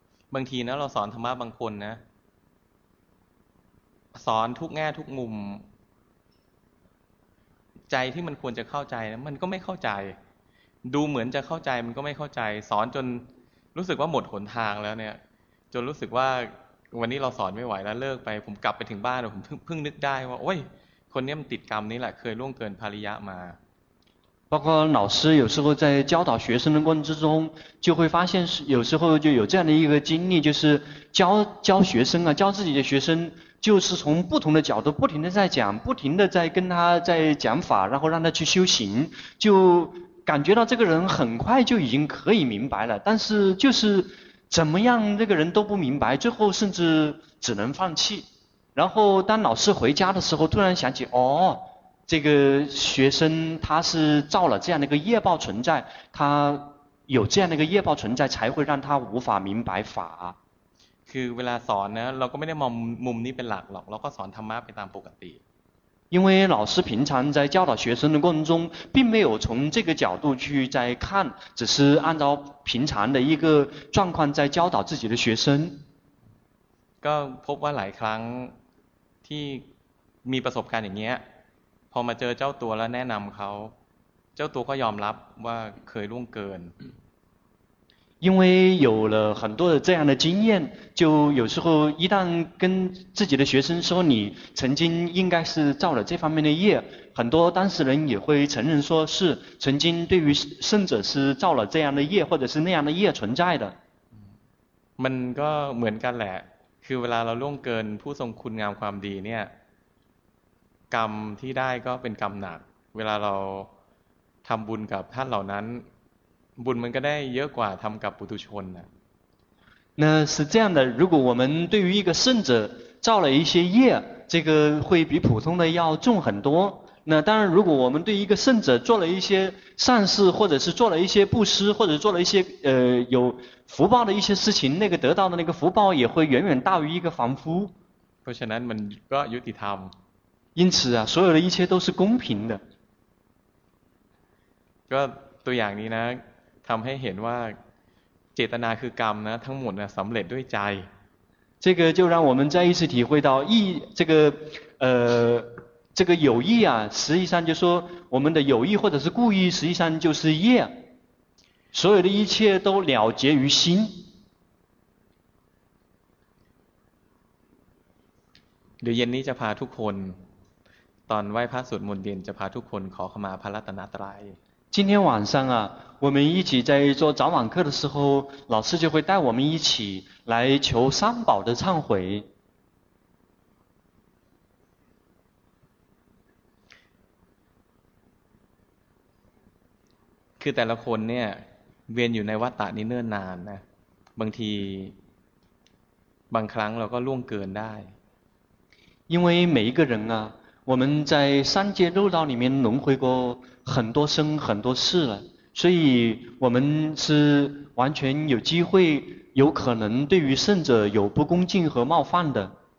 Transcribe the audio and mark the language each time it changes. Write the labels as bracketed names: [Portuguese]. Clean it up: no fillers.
[Thai] บางทีนะเราสอนธรรมะบางคนนะสอนทุกแง่ทุกมุมใจที่มันควรจะเข้าใจนะมันก็ไม่เข้าใจดูเหมือนจะเข้าใจมันก็ไม่เข้าใจสอนจนรู้สึกว่าหมดหนทางแล้วเนี่ยจนรู้สึกว่าวันนี้เราสอนไม่ไหวแล้วเลิกไปผมกลับไปถึงบ้านผมเพิ่งนึกได้ว่าโอ้ยคนนี้มันติดกรรมนี้แหละเคยล่วงเกินภริยะมา [Chinese] 包括老师有时候在教导学生的过程之中就会发现有时候就有这样的一个经历就是教学生啊教自己的学生就是从不同的角度不停的在讲不停的在跟他在讲法然后让他去修行就感觉到这个人很快就已经可以明白了但是就是怎么样这个人都不明白最后甚至只能放弃然后当老师回家的时候突然想起，哦，这个学生他是造了这样的一个业报存在，他有这样的一个业报存在才会让他无法明白法。 [Thai] คือเวลาสอนนะเราก็ไม่ได้มองมุมนี้เป็นหลักหรอกเราก็สอนธรรมะไปตามปกติ [Chinese] 因为老师平常在教导学生的过程中并没有从这个角度去在看，只是按照平常的一个状况在教导自己的学生。 [Thai] ก็พบว่าหลายครั้งที่มีประสบการณ์อย่างเงี้ยพอมาเจอเจ้าตัวแล้วแนะนำเขาเจ้าตัวก็ยอมรับว่าเคยล่วงเกิน [Chinese] 因为有了很多的这样的经验，就有时候一旦跟自己的学生说你曾经应该是造了这方面的业，很多当事人也会承认说是曾经对于圣者是造了这样的业或者是那样的业存在的。 [Thai] มันก็เหมือนกันแหละคือเวลาเราล่วงเกินผู้ทรงคุณงามความดีเนี่ยกรรมที่ได้ก็เป็นกรรมหนักเวลาเราทำบุญกับท่านเหล่านั้นบุญมันก็ได้เยอะกว่าทำกับปุถุชนนะ [Chinese] 那是这样的，如果我们对于一个圣者造了一些业，这个会比普通的要重很多。那当然，如果我们对一个圣者做了一些善事，或者是做了一些布施，或者做了一些有福报的一些事情，那个得到的那个福报也会远远大于一个凡夫。 [Thai] เพราะฉะนั้นมันก็ยุติธรรม [Chinese] 因此啊，所有的一切都是公平的。 [Thai] ก็ตัวอย่างนี้นะทำให้เห็นว่าเจตนาคือกรรมนะทั้งหมดนะสำเร็จด้วยใจ [Chinese] 这个就让我们再一次体会到意这个这个有意啊实际上就说我们的有意或者是故意实际上就是业所有的一切都了结于心 [Thai] เดี๋ยวเย็นนี้จะพาทุกคนตอนไหว้พระสวดมนต์เย็นจะพาทุกคนขอขมาพระรัตนตรัย [Chinese] 今天晚上啊我们一起在做早晚课的时候老师就会带我们一起来求三宝的忏悔 [Thai] คือแต่ละคนเนี่ยเวียนอยู่ในวัฏฏะนี้เนิ่นนานนะบางทีบางครั้งเราก็ล่วงเกินได้ [Chinese] 因为每一个人啊我们在三界六道里面轮回过很多生很多世了所以我们是完全有机会有可能对于圣者有不恭敬和冒犯的